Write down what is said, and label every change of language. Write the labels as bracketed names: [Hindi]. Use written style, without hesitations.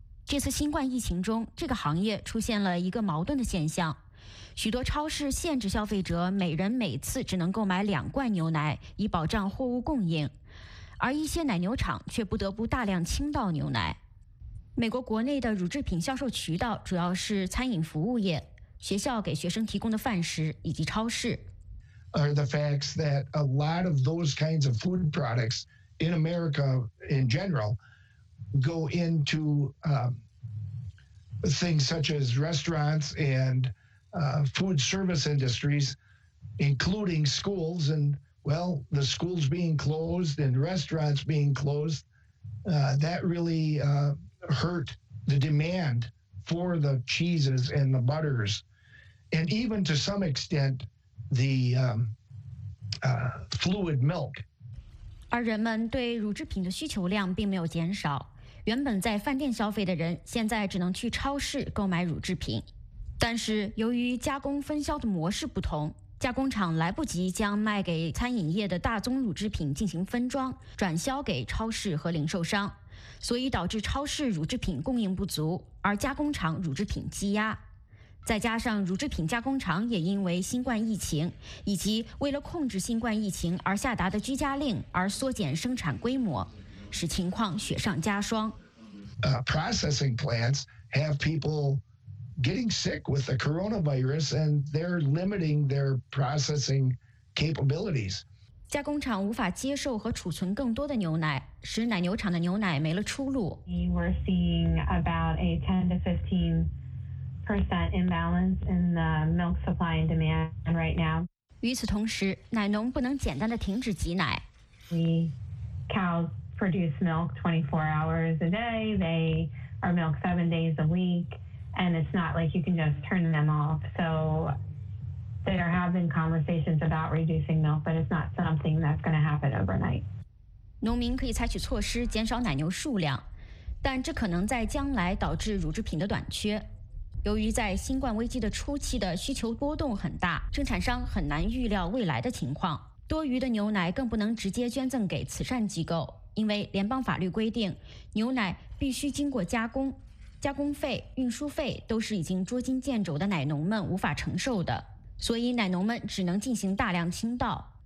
[Chinese] 这次新冠疫情中，这个行业出现了一个矛盾的现象，许多超市限制消费者每人每次只能购买2罐牛奶以保障货物供应，而一些奶牛场却不得不大量倾倒牛奶。美国国内的乳制品销售渠道主要是餐饮服务业、学校给学生提供的饭食以及超市。 [English] Are the facts that a lot of those kinds of food products in America in general go into things such as restaurants and food service industries, including schools. And well, the schools being closed and restaurants being closed, that really hurt the demand for the cheeses and the butters. And even to some extent, the fluid milk. [Chinese] 而人们对乳制品的需求量并没有减少。原本在饭店消费的人现在只能去超市购买乳制品。但是由于加工分销的模式不同，加工厂来不及将卖给餐饮业的大宗乳制品进行分装，转销给超市和零售商，所以导致超市乳制品供应不足，而加工厂乳制品积压。再加上乳制品加工厂也因为新冠疫情以及为了控制新冠疫情而下达的居家令而缩减生产规模，使情况雪上加霜。 [English] Processing plants have people getting sick with the coronavirus and they're limiting their processing capabilities. [Chinese] 加工厂无法接受和储存更多的牛奶，使奶牛场的牛奶没了出路。 [English] We're seeing about a 10-15% imbalance in the milk supply and demand right now. [Chinese] 与此同时，奶农不能简单的停止挤奶。 [English] We cows produce milk 24 hours a day. They are milked 7 days a week, and it's not like you can just turn them off. So there have been conversations about reducing milk, but it's not something that's going to happen overnight. [Chinese] 农民可以采取措施减少奶牛数量，但这可能在将来导致乳制品的短缺。由于在新冠危机的初期的需求波动很大，生产商很难预料未来的情况。多余的牛奶更不能直接捐赠给慈善机构，因为联邦法律规定，牛奶必须经过加工，加工费、运输费都是已经捉襟见肘的奶农们无法承受的，所以奶农们只能进行大量倾倒。